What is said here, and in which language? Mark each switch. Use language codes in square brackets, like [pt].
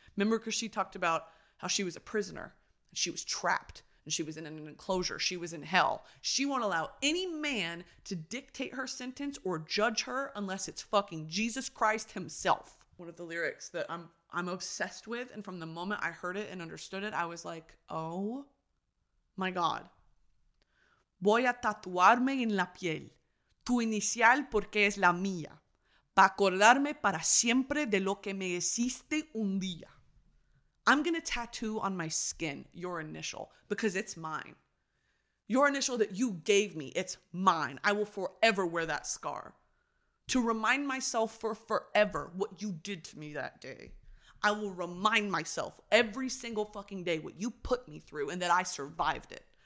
[en] Remember, because she talked about how she was a prisoner, and she was trapped, and she was in an enclosure, she was in hell. She won't allow any man to dictate her sentence or judge her unless it's fucking Jesus Christ himself. One of the lyrics that I'm obsessed with, and from the moment I heard it and understood it, I was like, oh my God. [es] Voy a tatuarme en la piel tu inicial porque es la mía, pa acordarme para siempre de lo que me hiciste un día. [en] I'm gonna tattoo on my skin your initial because it's mine. Your initial that you gave me, it's mine. I will forever wear that scar. To remind myself for forever what you did to me that day. I will remind myself every single fucking day what you put me through and that I survived it.